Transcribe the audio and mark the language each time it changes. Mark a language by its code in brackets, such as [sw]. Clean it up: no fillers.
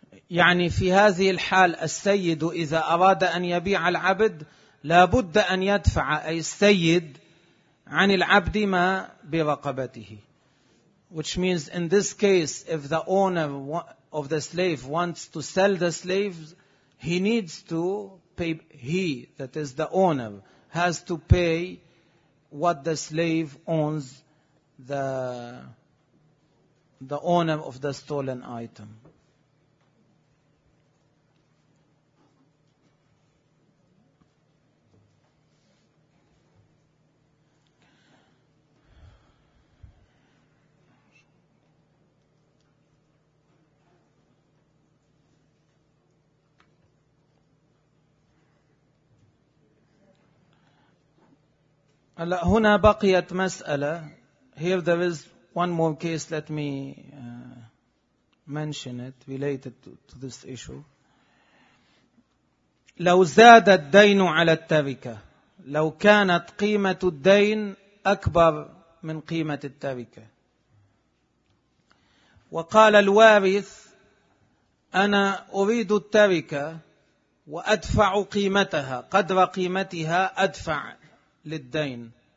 [ar] يعني في هذه الحال السيد إذا أراد أن يبيع العبد لابد أن يدفع أي السيد عن العبد ما برقبته. [en] Which means in this case, if the owner of the slave wants to sell the slave, he needs to pay, he, that is the owner, has to pay what the slave owns, the owner of the stolen item. [ar] هنا بقيت مسألة. [en] Here there is one more case. Let me mention it related to this issue. [ar] لو زاد الدين على التركة, لو كانت قيمة الدين أكبر من قيمة التركة, وقال الوارث أنا أريد التركة وأدفع قيمتها, قدر قيمتها أدفع للدين.